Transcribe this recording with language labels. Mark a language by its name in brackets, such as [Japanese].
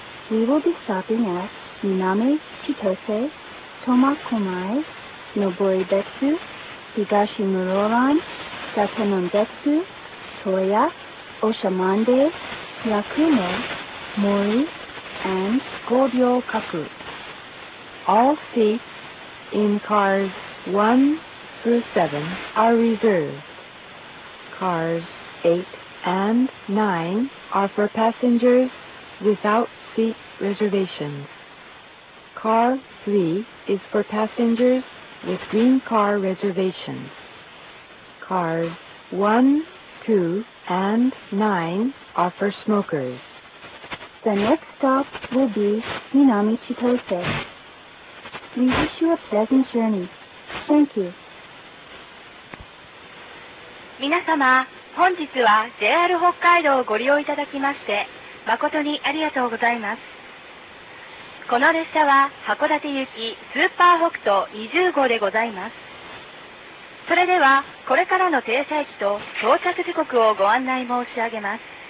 [English] We will be stopping at南千歳、苫小牧、登別、東室蘭、伊達南別、東谷、長万部、八雲、森、and 五稜郭。 All seats in cars 1 through 7 are reserved. Cars 8 and 9 are for passengers without seat reservations. Car 3 is for passengers with green car reservations. Cars 1, 2, and 9 are for smokers. The next stop will be 南千歳. We wish you a pleasant journey. Thank you. [Japanese] 皆様、本日は JR 北海道をご利用いただきまして、誠にありがとうございます。この列車は函館行きスーパー北斗20号でございます。それでは、これからの停車駅と到着時刻をご案内申し上げます。